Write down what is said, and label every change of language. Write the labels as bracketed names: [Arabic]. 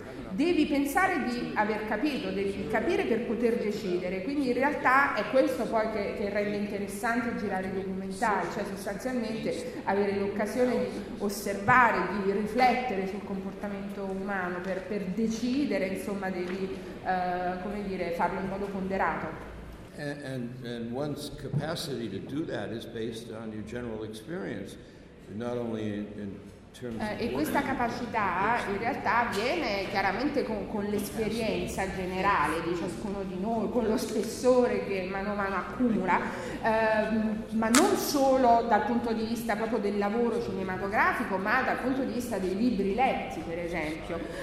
[Italian] Devi pensare di aver capito, devi capire per poter decidere, quindi in realtà è questo poi che rende interessante girare i documentari, cioè sostanzialmente avere l'occasione di osservare, di riflettere sul comportamento umano per decidere, insomma devi come dire, farlo in modo ponderato. [English] And one's capacity to do that is based on your general experience. Not only in terms [Italian] e questa capacità in realtà viene chiaramente con l'esperienza generale di ciascuno di noi, con lo spessore che mano a mano accumula, ma non solo dal punto di vista proprio del lavoro cinematografico, ma dal punto di vista dei libri letti, per esempio,